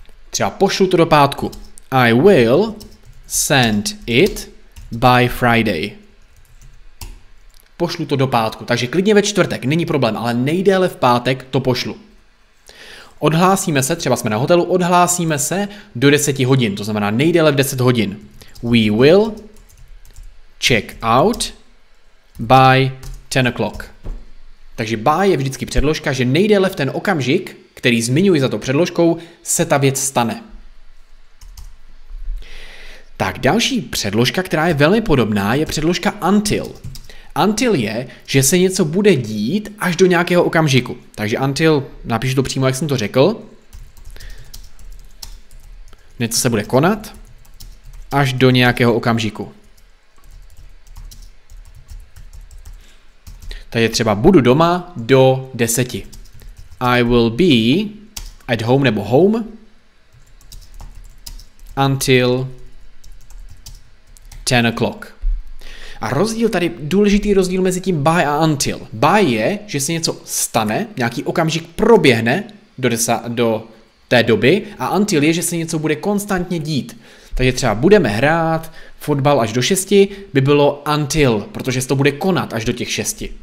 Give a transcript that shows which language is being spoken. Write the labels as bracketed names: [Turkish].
[Czech] Třeba pošlu to do pátku. [English] I will send it by Friday. [Czech] Pošlu to do pátku, takže klidně ve čtvrtek, není problém, ale nejdéle v pátek to pošlu. Odhlásíme se, třeba jsme na hotelu, odhlásíme se do 10 hodin, to znamená nejdéle v 10 hodin. [English] We will check out by 10 o'clock. [Czech] Takže by je vždycky předložka, že nejdéle v ten okamžik, který zmiňuji za to předložkou, se ta věc stane. Tak další předložka, která je velmi podobná, je předložka until. Until je, že se něco bude dít až do nějakého okamžiku. Takže until, napíšu to přímo, jak jsem to řekl. Něco se bude konat až do nějakého okamžiku. Tady je třeba budu doma do 10. [English] I will be at home nebo home until 10 o'clock. [Czech] A rozdíl tady, důležitý rozdíl mezi tím by a until. By je, že se něco stane, nějaký okamžik proběhne do té doby a until je, že se něco bude konstantně dít. Takže třeba budeme hrát fotbal až do 6, by bylo until, protože se to bude konat až do těch 6.